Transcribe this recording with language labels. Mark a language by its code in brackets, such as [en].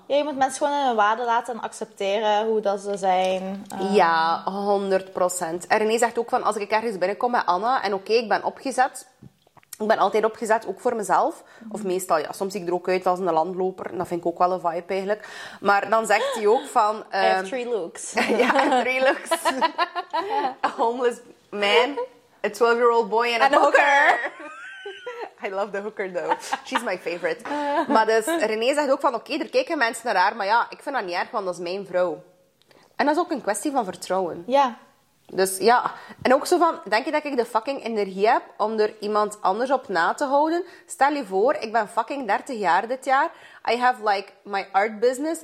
[nl] Ja, je moet mensen gewoon in hun waarde laten en accepteren hoe dat ze zijn. Ja, 100%. En René zegt ook van, als ik ergens binnenkom bij Anna... En oké, ik ben opgezet. Ik ben altijd opgezet, ook voor mezelf. Of meestal, ja, soms zie ik er ook uit als een landloper. En dat vind ik ook wel een vibe, eigenlijk. Maar dan zegt hij ook van... [en] I have three looks. Ja, three looks. A homeless man, a 12-year-old boy and a hooker. I love the hooker though. She's my favorite. [nl] Maar dus, René zegt ook van, oké, er kijken mensen naar haar. Maar ja, ik vind dat niet erg, want dat is mijn vrouw. En dat is ook een kwestie van vertrouwen. Ja. Dus ja. En ook zo van, denk je dat ik de fucking energie heb om er iemand anders op na te houden? Stel je voor, ik ben fucking 30 jaar dit jaar. [en] I have like my art business.